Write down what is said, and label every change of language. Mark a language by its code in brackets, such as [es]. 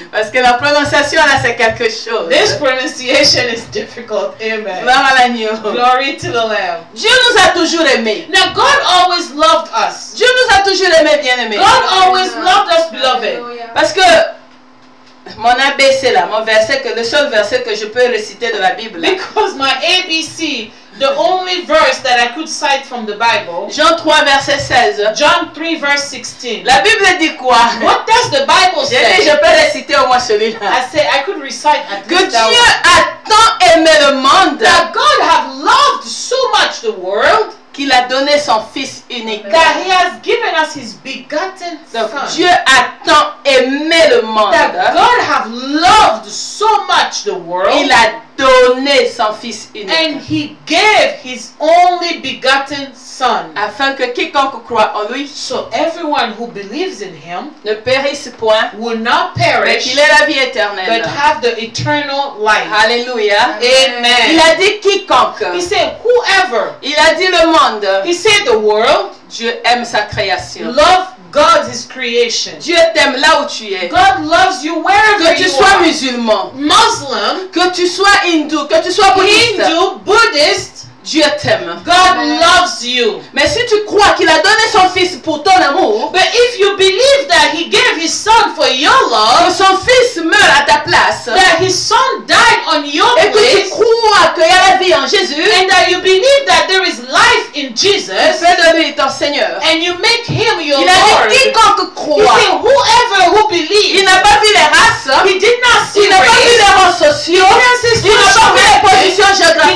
[fr] Parce que la prononciation là c'est quelque chose. [en] This pronunciation is difficult. Amen. [fr] Gloire à l'agneau. [en] Glory to the Lamb. [fr] Dieu nous a toujours aimés. [en] Now God always loved us. [fr] Dieu nous a toujours aimés bien aimés. [en] God always loved us beloved. [fr] Parce que mon ABC là, mon verset que le seul verset que je peux réciter de la Bible. Là. [en] Because my ABC, the only verse that I could cite from the Bible. [fr] Jean 3 verset 16. [en] John 3 verse 16. [fr] La Bible dit quoi? [en] What does the Bible say? [fr] J'ai dit je peux réciter au moins celui-là. [en] I said I could recite at least that. [fr] Que Dieu a tant aimé le monde. [en] That God have loved so much the world. [fr] Qu'il a donné son fils unique. [en] That he has given us his begotten son. [fr] Dieu a tant aimé le monde. [en] That God have loved so much the world. [fr] Il a donné son fils unique. [en] And he gave his only begotten son. [fr] Afin que quiconque croit en lui. [en] So everyone who believes in him. [fr] Ne périsse point. [en] Will not perish. [fr] Mais qu'il ait la vie éternelle. [en] But have the eternal life. [fr] Alléluia. [en] Amen. [fr] Il a dit quiconque. [en] He said whoever. [fr] Il a dit le monde. [en] He said the world. [fr] Dieu aime sa création. [en] Love God his creation. [fr] Dieu t'aime là où tu es. [en] God loves you wherever you are. [fr] Que tu sois musulman. [en] Muslim. [fr] Que tu sois hindou. Que tu sois bouddhiste. [en] Hindu, Buddhist. [fr] Dieu t'aime. [en] God loves you. [fr] Mais si tu crois qu'il a donné son fils pour ton amour. [en] But if you believe that he gave his son for your love. [fr] Que son fils meurt à ta place. [en] That his son died on your [fr] et [en] place. [fr] Et que tu crois qu'il y a la vie en Jésus. [en] And that you believe that there is life in Jesus. [fr] Fais de lui ton Seigneur. [en] And you make him your [fr] il [en] Lord. [fr] Il a dit quiconque croit. [en] You see, whoever who believes. [fr] Il n'a pas vu les races. [en] He did not see [fr] il n'a pas vu les rangs sociaux. Il n'a pas vu les positions géographiques.